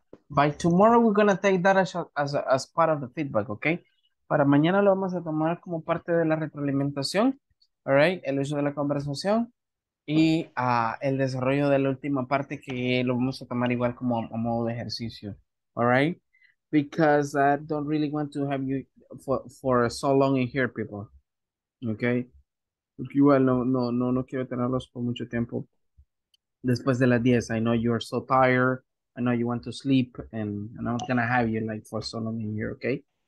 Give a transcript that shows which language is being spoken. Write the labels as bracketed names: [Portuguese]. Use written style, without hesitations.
[English] By tomorrow, we're going to take that as part of the feedback, okay? [Spanish] Para mañana lo vamos a tomar como parte de la retroalimentación, all right? El uso de la conversación. Y el desarrollo de la última parte que lo vamos a tomar igual como a modo de ejercicio, all right? [English] Because I don't really want to have you for so long in here, people, okay? [Spanish] Porque igual no quiero tenerlos por mucho tiempo después de las 10. [English] I know you're so tired. I know you want to sleep. And I'm not going to have you like for so long in here, okay?